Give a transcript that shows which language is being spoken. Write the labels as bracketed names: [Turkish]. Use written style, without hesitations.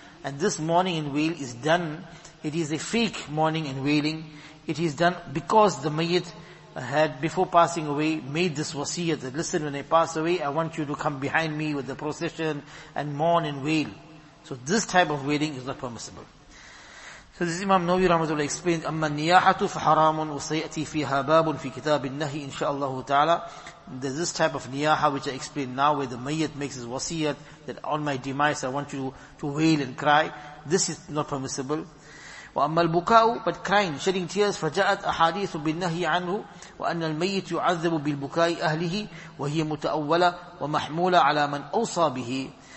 [English] And this mourning and wail is done, it is a fake mourning and wailing. It is done because the mayyit had, before passing away, made this wasiyah that, listen, when I pass away, I want you to come behind me with the procession and mourn and wail. So this type of wailing is not permissible. So this Imam Nawawi rahmatullah explained, [Arabic] أَمَّا النِّيَاحَةُ فَحَرَامٌ وَسَيَأْتِي فِيهَا بَابٌ فِي كِتَابِ النَّهِي إِنْ شَاءَ اللَّهُ تَعَالَى. [English] There's this type of niyaha which I explained now, where the mayyat makes his wasiyat that on my demise I want you to wail and cry. This is not permissible. [Arabic] وَأَمَّا الْبُكَاءُ, [English] but crying, shedding tears, [Arabic] فَجَاءَتْ أَحَادِيثُ بِالنَّهِي عَنْهُ وَأَنَّ الْمَيِّتُ يُعَذَّبُ بِالْبُكَاءِ أَهْلِهِ وَهِيَ مُتَأَوَّلَ وَمَحْمُولَ عَلَى مَنْ أَوْصَى بِهِ.